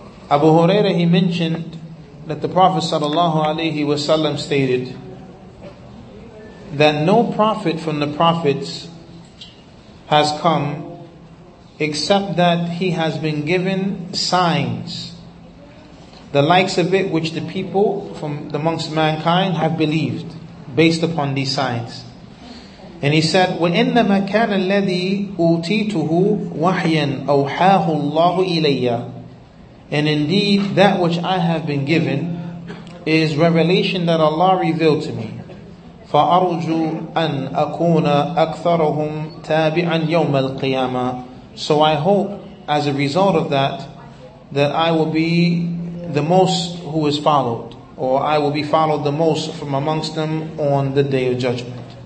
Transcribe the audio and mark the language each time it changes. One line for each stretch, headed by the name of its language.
English: Abu Hurairah, he mentioned that the Prophet sallallahu alayhi wa sallam stated that no prophet from the prophets has come except that he has been given signs, the likes of it which the people from amongst mankind have believed based upon these signs.
Arabic: And he said, وَإِنَّمَا كَانَ الَّذِي أُوتِيتُهُ وَحْيًا أَوْحَاهُ اللَّهُ إِلَيَّ.
English: And indeed, that which I have been given is revelation that Allah revealed to me.
Arabic: فَأَرْجُوا أَنْ أَكُونَ أَكْثَرُهُمْ تَابِعًا يَوْمَ الْقِيَامَةِ.
English: So I hope, as a result of that, that I will be the most who is followed, or I will be followed the most from amongst them on the Day of Judgment.